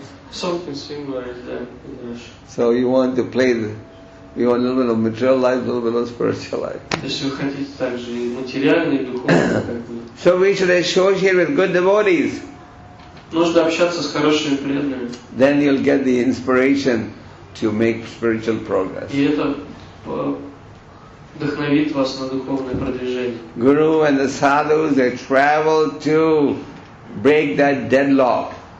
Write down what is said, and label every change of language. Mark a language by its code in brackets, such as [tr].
[en] So you want to play the, you want a little bit of material life, a little bit of spiritual life. So we should associate with good devotees. [ru] Нужно общаться с хорошими преданными. [en] Then you'll get the inspiration to make spiritual progress. [ru] И это вдохновит вас на духовное продвижение. [en] Guru and the sadhus, they travel to break that deadlock.